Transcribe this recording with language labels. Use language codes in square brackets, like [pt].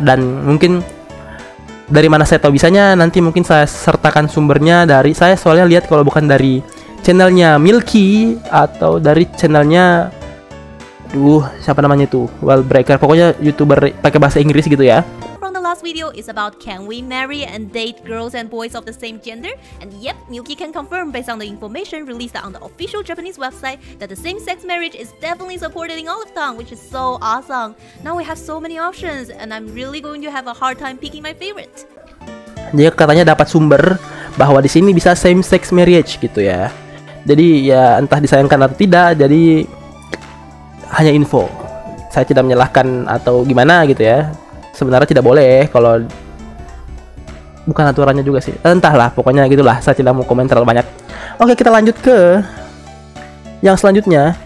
[id] Dan mungkin dari mana saya tahu bisanya, nanti mungkin saya sertakan sumbernya dari, saya soalnya lihat kalau bukan dari channelnya Milky atau dari channelnya, duh siapa namanya itu, Wellbreaker, pokoknya YouTuber pakai bahasa Inggris gitu ya. [en] From the last video is about can we marry and date girls and boys of the same gender, and yep, Milky can confirm based on the information released on the official Japanese website that the same sex marriage is definitely supported in all of town, which is so awesome. Now we have so many options and I'm really going to have a hard time picking my favorite. [id] Dia katanya dapat sumber bahwa di sini bisa same sex marriage gitu ya. Jadi ya entah disayangkan atau tidak, jadi hanya info. Saya tidak menyalahkan atau gimana gitu ya. Sebenarnya tidak boleh kalau bukan aturannya juga sih. Entahlah, pokoknya gitulah. Saya tidak mau komentar terlalu banyak. Oke, kita lanjut ke yang selanjutnya.